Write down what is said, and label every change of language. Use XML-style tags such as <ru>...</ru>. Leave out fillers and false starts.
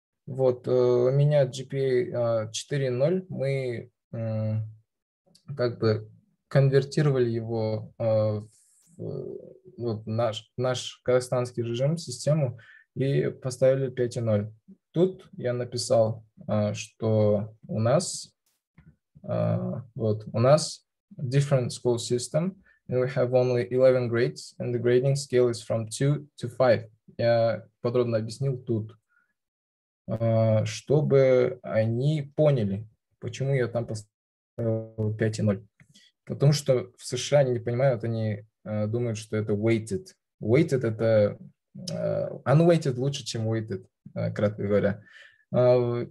<ru>Вот, у меня GPA 4.0, мы как бы конвертировали его в наш казахстанский режим, систему, и поставили 5.0. Тут я написал, что у нас... вот, у нас</ru> <en>different school system, and we have only 11 grades, and the grading scale is from 2 to 5.</en> <ru>Я подробно объяснил тут, чтобы они поняли, почему я там поставил 5.0. Потому что в США они не понимают, они думают, что это weighted. Weighted — это unweighted лучше, чем weighted, кратко говоря.</ru>